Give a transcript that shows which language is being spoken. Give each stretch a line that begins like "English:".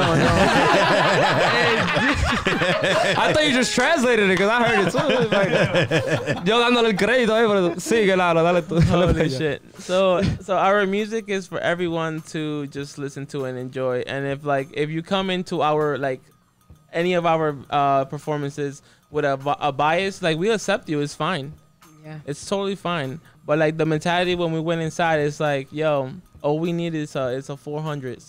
English: I thought you just translated it because I heard it too.
Spanish: Yo dándole el crédito ahí, pero sigue, Lalo, dale tú.
English: Holy shit. So our music is for everyone to just listen to and enjoy. And if you come into our, like, any of our performances with a bias, like, we accept you. It's fine. Yeah. It's totally fine. But, like, the mentality when we went inside is like, yo, all we need is it's a 400.